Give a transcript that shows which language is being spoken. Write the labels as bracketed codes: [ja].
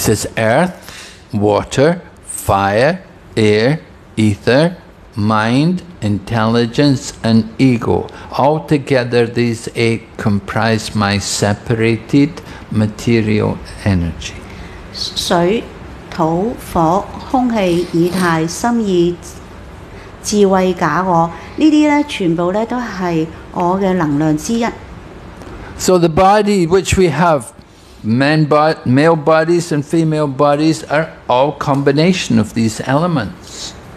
[en] says earth, water, fire, air, ether, mind, intelligence, and ego. Altogether, these eight comprise my separated material energy. [zh] 水、土、火、空气、以太、心意、智慧、假我。 [en] So the body which we have, male bodies and female bodies, are all combination of these elements.